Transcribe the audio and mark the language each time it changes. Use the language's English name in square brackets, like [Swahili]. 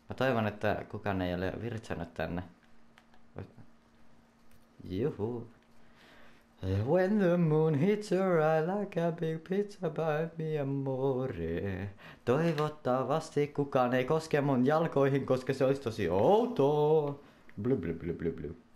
[Finnish] Mä toivon, että kukaan ei ole virtsannut tänne. Juhu. [English] When the moon hits your eye like a big pizza by me amore. [Finnish] Toivottavasti kukaan ei koske mun jalkoihin, koska se olisi tosi outoa. Blu blu blu blu blu.